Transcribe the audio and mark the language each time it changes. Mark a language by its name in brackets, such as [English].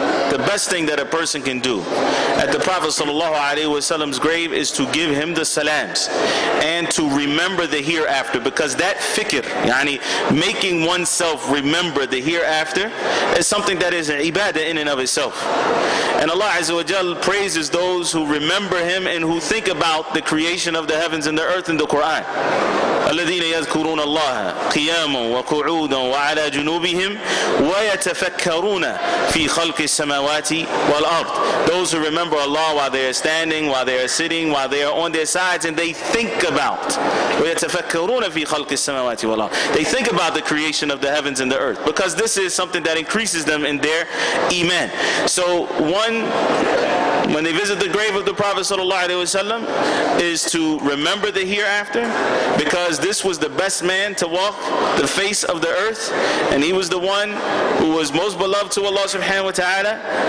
[English] The best thing that a person can do at the Prophet sallallahu alaihi wasallam's grave is to give him the salams and to remember the hereafter, because that fikr, yani making oneself remember the hereafter, is something that is an ibadah in and of itself. And Allah azza wa jal praises those who remember him and who think about the creation of the heavens and the earth in the Quran. [Arabic] الذين يذكرون الله قياما وقعودا وعلى جنوبهم ويتفكرون في خلق السماوات والأرض. [English] Those who remember Allah while they are standing, while they are sitting, while they are on their sides, and they think about, [Arabic] ويتفكرون في خلق السماوات والأرض. [English] They think about the creation of the heavens and the earth, because this is something that increases them in their iman. So one, when they visit the grave of the Prophet sallallahu alaihi wasallam, is to remember the hereafter, because this was the best man to walk the face of the earth, and he was the one who was most beloved to Allah subhanahu wa ta'ala.